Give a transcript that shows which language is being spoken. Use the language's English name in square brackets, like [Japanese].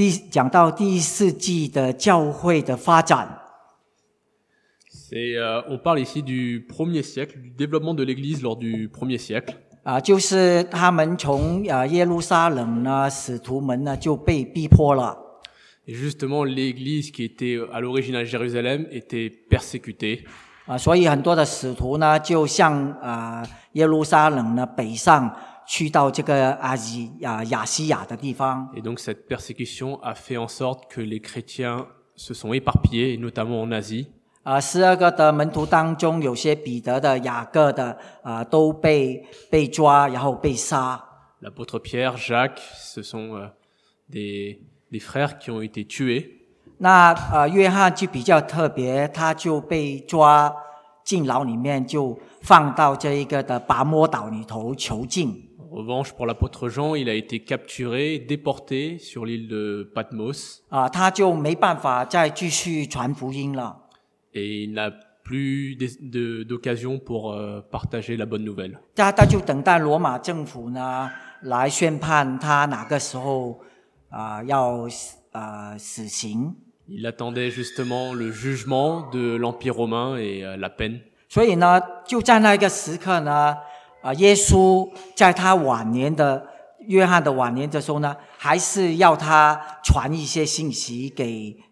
[Chinese] 讲到第四季的教会的发展。 [French] C'est, on parle ici du premier siècle, du développement de l'église lors du premier siècle. [Chinese] 就是他们从耶路撒冷呢，使徒们呢就被逼迫了。 [French] Et justement, l'église qui était à l'origine à Jérusalem était persécutée. [Chinese] 所以很多的使徒呢就向耶路撒冷呢北上，去到这个亚西亚的地方。 [French] Et donc cette persécution a fait en sorte que les chrétiens se sont éparpillés, notamment en Asie. [Chinese] 十二个的门徒当中，有些彼得的、雅各的，都被抓，然后被杀。 [French] L'apôtre Pierre, Jacques, ce sont des frères qui ont été tués. [Chinese] 那约翰就比较特别，他就被抓进牢里面，就放到这一个的拔摩岛里头囚禁。 [French] En revanche, pour l'apôtre Jean, il a été capturé, déporté sur l'île de Patmos. [Chinese] 他就没办法再继续传福音了。 [French] Et il n'a plus d'occasion pour partager la bonne nouvelle. [Chinese] 他就等待罗马政府呢来宣判他哪个时候要死刑。 [French] Il attendait justement le jugement de l'Empire romain et la peine. [Chinese] 所以呢，就在那个时刻呢，耶稣在他晚年的约翰的晚年的时候呢，还是要他传一些信息给。